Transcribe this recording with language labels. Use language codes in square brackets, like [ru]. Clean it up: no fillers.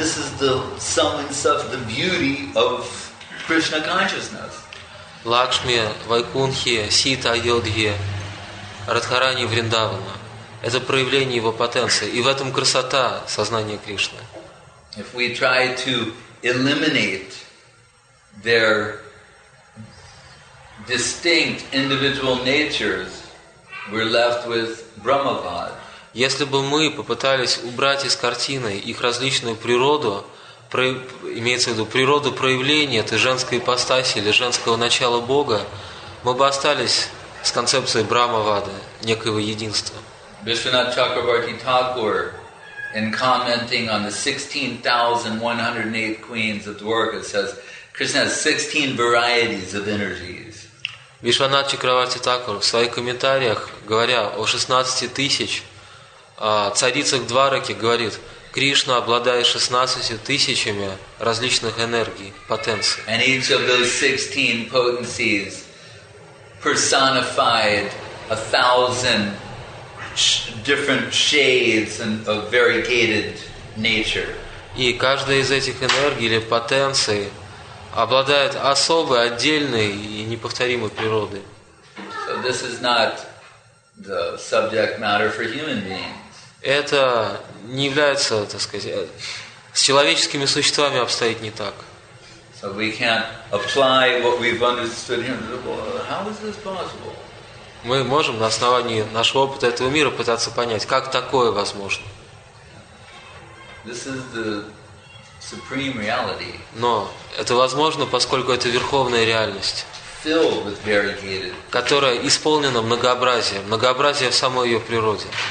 [en] This is the sum and stuff, the beauty of Krishna consciousness. [ru] Лакшми, Вайкунхи, Сита, Айодхи, Радхарани, Вриндавана. Это проявление его потенции. И в этом красота сознания Кришны. [en] If we try to eliminate their distinct individual natures, we're left with Brahmavad. [ru] Если бы мы попытались убрать из картины их различную природу, имеется в виду природу проявления этой женской ипостаси или женского начала Бога, мы бы остались с концепцией Брахмавада, некоего единства. [en] Вишванат Чакрабарти Такур, in commenting on the 16,108 queens of Dwarka, says Krishna has 16 varieties of energies. [ru] Вишванат Чакрабарти Такур в своих комментариях, говоря о 16 тысяч царицах Двараки, говорит: Кришна обладает 16 тысячами различных энергий, потенций. [en] And each of those 16 potencies personified 1,000 different shades of variegated nature. [ru] И каждая из этих энергий или потенций обладает особой, отдельной и неповторимой природой. [en] So this is not the subject matter for human beings. [ru] Это не является, так сказать, с человеческими существами обстоит не так. [en] So we can't apply what we've understood in the world. How is this possible? [ru] Мы можем на основании нашего опыта этого мира пытаться понять, как такое возможно. [en] This is the supreme reality. [ru] Но это возможно, поскольку это верховная реальность, [en] filled with variegated, [ru] которая исполнена многообразием, многообразие в самой ее природе.